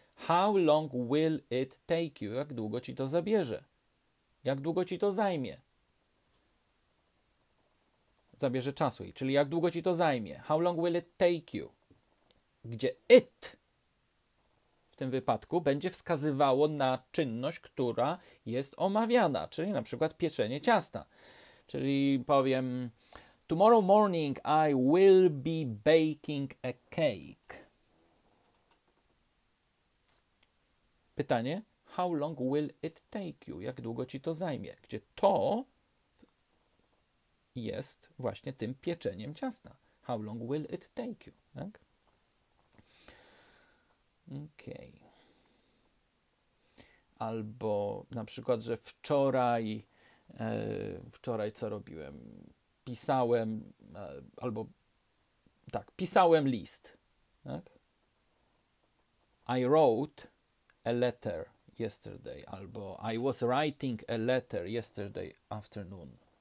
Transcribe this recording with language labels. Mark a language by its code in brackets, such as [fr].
[en] How long will it take you? [pl] Jak długo ci to zabierze? Jak długo ci to zajmie? Zabierze czasu. Czyli jak długo ci to zajmie? [en] How long will it take you? [pl] Gdzie it w tym wypadku będzie wskazywało na czynność, która jest omawiana, czyli na przykład pieczenie ciasta. Czyli powiem: [en] Tomorrow morning I will be baking a cake. Pytanie: How long will it take you? [pl] Jak długo ci to zajmie? Gdzie to jest właśnie tym pieczeniem ciasta? [en] How long will it take you? [pl] Tak? [en] Okay. [pl] Albo na przykład, że wczoraj Wczoraj co robiłem? Pisałem, albo tak, pisałem list. Tak? [en] I wrote a letter yesterday, albo I was writing a letter yesterday afternoon.